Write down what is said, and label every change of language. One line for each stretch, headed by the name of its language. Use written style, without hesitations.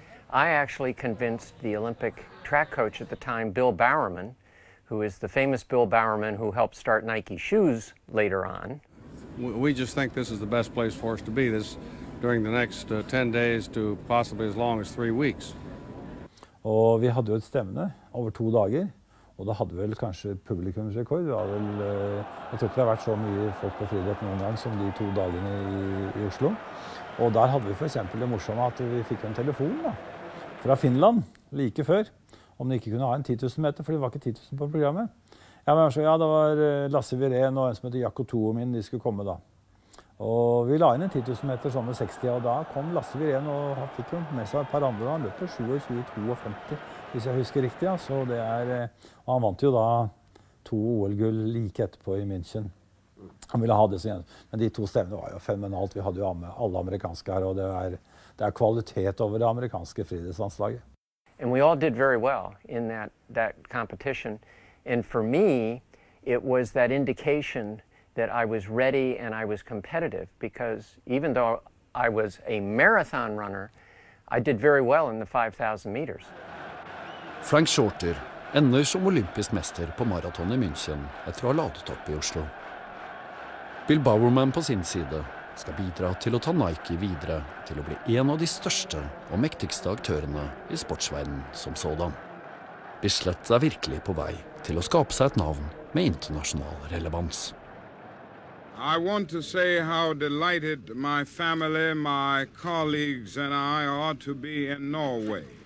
English: I actually convinced the Olympic track coach at the time, Bill Bowerman, who is the famous Bill Bowerman who helped start Nike shoes later on. We just think this is the best place for us to be this during the next 10 days to possibly as long as 3 weeks.
Norwegian: Og vi hadde jo et stevne over to dager, og da hadde vel kanskje publikumsrekord. Vi hadde vel, jeg tror ikke det har vært så mye folk på friidrett noen gang som de to dagene I Oslo. Og der hadde vi for eksempel det morsomme at vi fikk en telefon da, fra Finland, like før, om de ikke kunne ha en 10 000 meter, for det var ikke 10 000 på programmet. Ja, men så, ja, det var Lasse Viren og en som heter Jakko Toho min, de skulle komme da. Og vi la inn en 10 000 meter sånn med 60, og da kom Lasse Viren og fikk med seg et par andre, og han løpte 27-52, hvis jeg husker riktig. Ja. Så det og han vant jo da to OL-guld like etterpå I München. Han ville ha det så igjen. Men de to stevnene var jo fenomenalt. Vi hadde jo alle amerikanske her, og det kvalitet over det amerikanske friidrettslandslaget.
English: And we all did very well in that competition. And for me, it was that indication that I was ready and I was competitive, because even though I was a marathon runner, I did very well in the 5,000 meters.
Norwegian: Frank Shorter ender som olympisk mester på maraton I München etter å ha ladet opp I Oslo. Bill Bowerman på sin side skal bidra til å ta Nike videre til å bli en av de største og mektigste aktørene I sportsverdenen som sådan. Bislett virkelig på vei til å skape seg et navn med internasjonal relevans.
English: I want to say how delighted my family, my colleagues and I are to be in Norway.